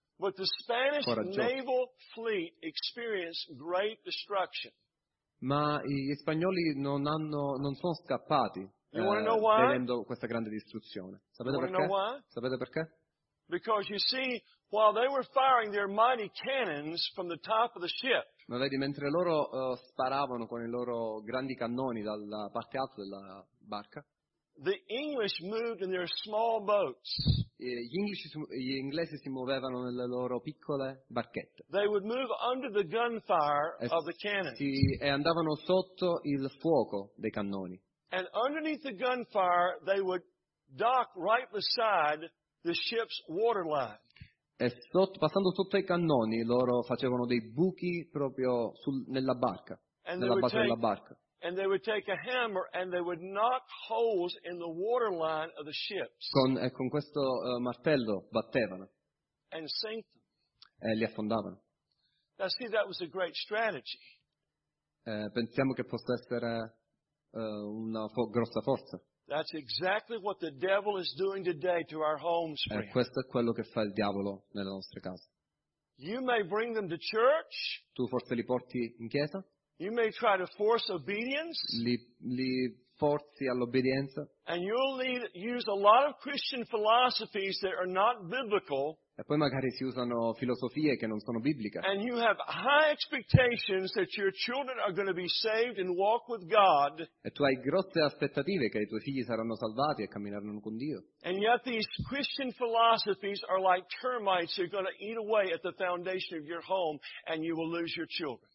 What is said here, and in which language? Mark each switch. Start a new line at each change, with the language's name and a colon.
English: But the Spanish naval fleet experienced great destruction.
Italian: Ma gli spagnoli non sono scappati.
English: You want to know why?
Italian: Vedendo questa grande distruzione. Sapete perché? Sapete perché?
English: Because you see, while they were firing their mighty cannons from the top of the ship.
Italian: Ma vedi, mentre loro sparavano con i loro grandi cannoni dalla parte alta della barca.
English: The English moved in their small boats.
Italian: Gli inglesi si muovevano nelle loro piccole barchette.
English: They would move under the gunfire of the cannons.
Italian: E andavano sotto il fuoco dei cannoni.
English: And underneath the gunfire, they would dock right beside the ship's waterline.
Italian: E passando sotto i cannoni, loro facevano dei buchi proprio nella barca, nella base della barca.
English: And they would take a hammer and they would knock holes in the waterline of the ships.
Italian: Con questo martello battevano.
English: And sank them.
Italian: E li affondavano.
English: Now see, that was a great strategy.
Italian: Pensiamo che possa essere una grossa forza.
English: That's exactly what the devil is doing today to our homes.
Italian: E questo è quello che fa il diavolo nelle nostre case.
English: You may bring them to church.
Italian: Tu forse li porti in chiesa.
English: You may try to force obedience.
Italian: Li forzi all'obbedienza.
English: And you'll use a lot of Christian philosophies that are not biblical.
Italian: E poi magari si usano filosofie che non sono bibliche.
English: And you have high expectations that your children are going to be saved and walk with God.
Italian: E tu hai grosse aspettative che i tuoi figli saranno salvati e cammineranno con Dio.
English: And yet these Christian philosophies are like termites that are going to eat away at the foundation of your home and you will lose your children.